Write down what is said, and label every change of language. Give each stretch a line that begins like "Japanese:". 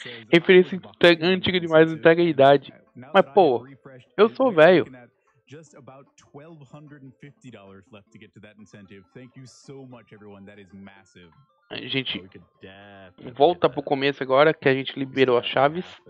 Portuguese: Referência antiga demais, entrega a idade. Mas pô, eu sou velho.
English: just about $1,250 left to get to that incentive. Thank you so much, everyone. That is massive.
Portuguese: A gente volta pro começo agora que a gente liberou as chaves.